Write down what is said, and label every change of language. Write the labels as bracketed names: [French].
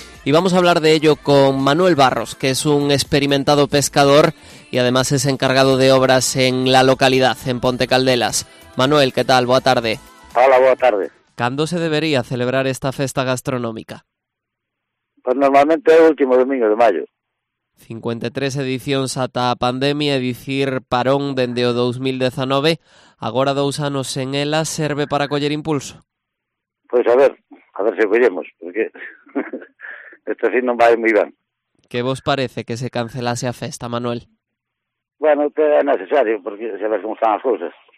[Spanish] Y vamos a hablar de ello con Manuel Barros, que es un experimentado pescador y además es encargado de obras en la localidad, en Ponte Caldelas. [Galician] Manuel, ¿qué tal? Boa tarde. Hola, boa tarde. ¿Cando se debería celebrar esta festa gastronómica? [Spanish] Pues normalmente el último domingo de mayo. [Galician] 53 edicións ata a pandemia, é dicir, parón dende o 2019. Agora 2 anos en ela, serve para coller impulso? Pois a ver se collemos, porque esto sí non vai moi ben. Que vos parece que se cancelase a festa, Manuel? Bueno, que é necesario, porque se ver como están as cousas.